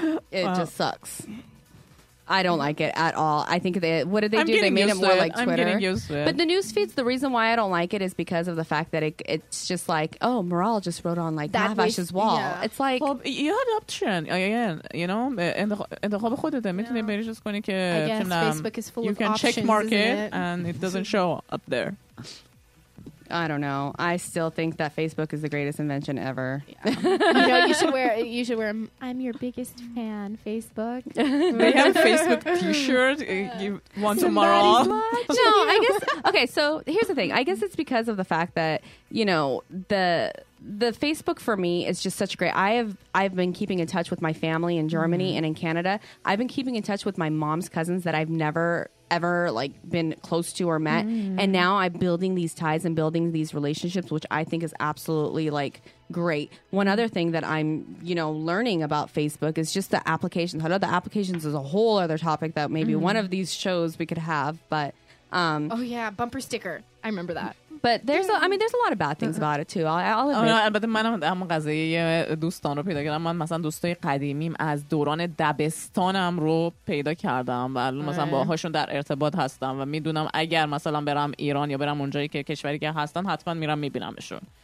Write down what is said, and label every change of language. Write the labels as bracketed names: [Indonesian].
[English] It just sucks. I don't like it at all. I think they made it more like Twitter. But the news feeds, the reason why I don't like it is because of the fact that it's just like, oh, Maral just wrote on like Mahvash's wall. Yeah. It's like, well, you have an option. Again, you know, [Persian] انتخاب خودت میتونی بری چیز کنی که [English] Facebook is full of You can check mark it and it doesn't show up there. I don't know. I still think that Facebook is the greatest invention ever. Yeah. You should wear I'm your biggest fan, Facebook. They have a Facebook t-shirt. You want tomorrow? No, I guess. Okay, so here's the thing. I guess it's because of the fact that, you know, the Facebook for me is just such great. I've been keeping in touch with my family in Germany and in Canada. I've been keeping in touch with my mom's cousins that I've never ever like been close to or met. And now I'm building these ties and building these relationships, which I think is absolutely like great. One other thing that I'm, you know, learning about Facebook is just the applications. The applications is a whole other topic that maybe one of these shows we could have, but bumper sticker. I remember that. But there's a lot of bad things about it too. [Persian] البته من هم قضیه دوستان رو پیدا کردم. من مثلا دوستای قدیمیم از دوران دبستانم رو پیدا کردم و مثلا باهاشون در ارتباط هستم و میدونم اگر مثلا برم ایران یا برم اونجایی که کشوری که هستن حتما میرم میبینمشون.